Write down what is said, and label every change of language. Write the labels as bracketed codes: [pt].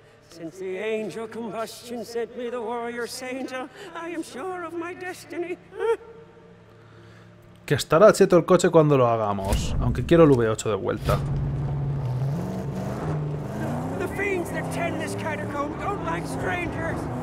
[en] Since the angel combustion sent me the warrior saint, I am sure of my destiny. [es] Que estará cheto el coche cuando lo hagamos, aunque quiero el V8 de vuelta. [en] The fiends that tend this catacomb don't like strangers.